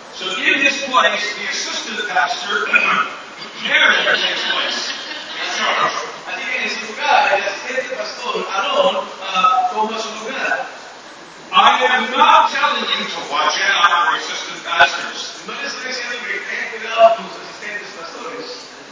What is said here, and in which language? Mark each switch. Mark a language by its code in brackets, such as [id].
[en] So in this place, the assistant pastor, Aaron, takes place. [es] Así que en ese lugar, el asistente pastor, Aarón, toma su lugar. [en] I am not telling you to watch out for assistant pastors. [es] No les estoy diciendo que tengan cuidado con sus asistentes pastores.